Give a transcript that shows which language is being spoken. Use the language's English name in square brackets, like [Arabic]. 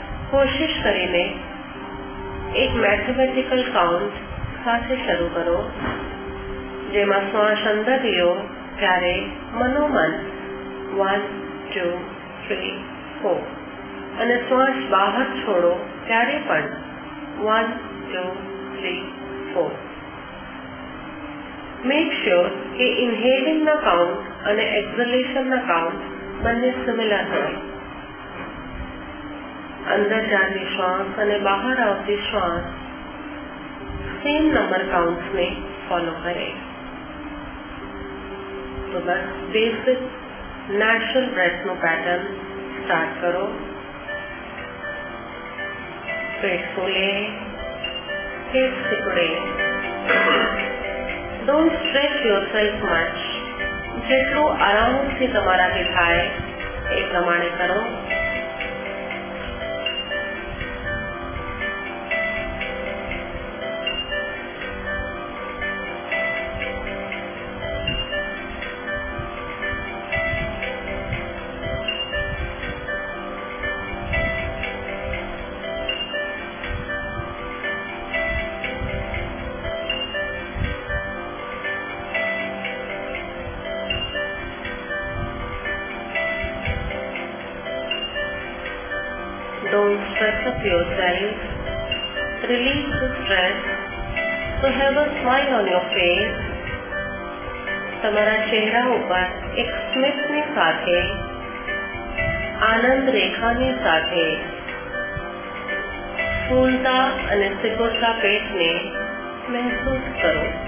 [Gujarati] કોશિશ કરીને એક મેથમેટિકલ કાઉન્ટ સાથે શરૂ કરો, જેમાં શ્વાસ અંદર લ્યો ત્યારે મનોમન 1 2 3 4 અને શ્વાસ બહાર છોડો ત્યારે પણ 1 2 3 4 4. [English] Make sure [Gujarati] કે [English] inhaling [Gujarati] ના count અને [English] exhalation [Gujarati] ના count બંને [English] similar [Gujarati] હોય. અંદર જાતી શ્વાસ અને બહાર આવતી શ્વાસ સેમ નંબર કાઉન્ટ ને ફોલો કરે. તો બસ બેસિક નેચરલ બ્રેથ નું પેટર્ન સ્ટાર્ટ કરો. પેટ ફૂલે, પેટ સુકડે. [English] Don't stretch yourself much. [Gujarati] જેટલું આરામથી તમારા થી થાય એ પ્રમાણે કરો. [English] Don't stress up yourself. Release the stress. So have a smile on your face. [Gujarati] તમારા ચહેરા ઉપર એક સ્મિતની સાથે, આનંદ રેખાની સાથે, ફૂલતા અને સિકુડતા પેટને મહેસૂસ કરો.